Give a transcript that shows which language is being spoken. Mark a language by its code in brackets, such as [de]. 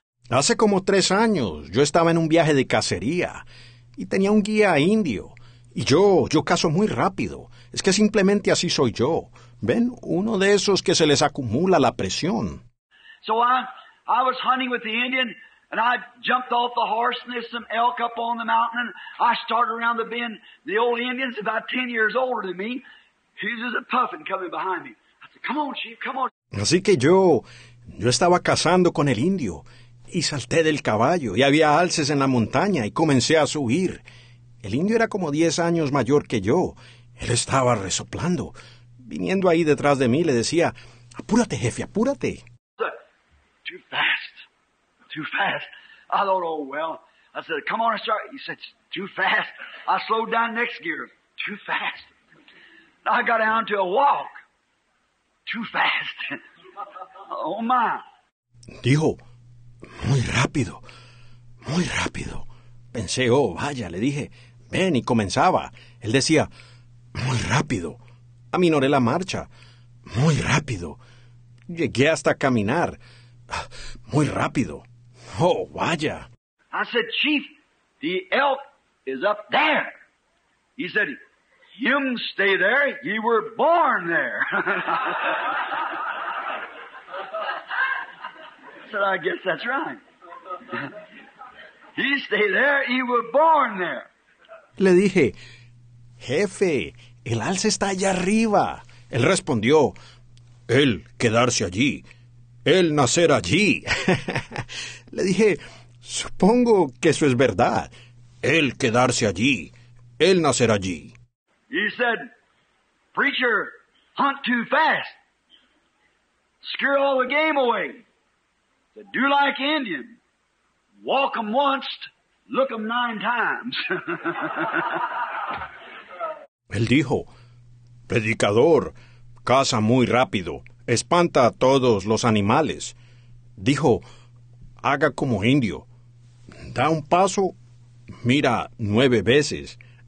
[es] Hace como 3 años, yo estaba en un viaje de cacería y tenía un guía indio. Y yo cazo muy rápido. Es que simplemente así soy yo. ¿Ven? Uno de esos que se les acumula la presión. [en] So I was hunting with the Indian, and I jumped off the horse, and there's some elk up on the mountain, and I started around the bend. The old Indian's about 10 years older than me. He's just a puffing coming behind me. I said, come on, chief, come on. [es] Así que yo estaba cazando con el indio, y salté del caballo, y había alces en la montaña, y comencé a subir. El indio era como 10 años mayor que yo. Él estaba resoplando. Viniendo ahí detrás de mí, le decía, apúrate, jefe, apúrate. [en] Too fast, too fast. I thought, oh, well. I said, come on, start. He said, too fast. I slowed down next gear, too fast. I got down to a walk, too fast. Oh, my. [es] Dijo, muy rápido, muy rápido. Pensé, oh, vaya, le dije, ven, y comenzaba. Él decía, muy rápido. Aminoré la marcha, muy rápido. Llegué hasta caminar, muy rápido. Oh, vaya. [en] I said, chief, the elk is up there. He said, him stay there, he were born there. I said, I guess that's right. He stay there, he were born there. [es] Le dije, jefe, el alce está allá arriba. Él respondió, él quedarse allí, él nacer allí. Le dije, supongo que eso es verdad. Él quedarse allí, él nacer allí. [en] He said, preacher, hunt too fast. Scare all the game away. Said, do like Indian. Walk 'em once, look 'em 9 times. [es] Él dijo, predicador, caza muy rápido, espanta a todos los animales. Dijo, haga como indio, da un paso, mira 9 veces.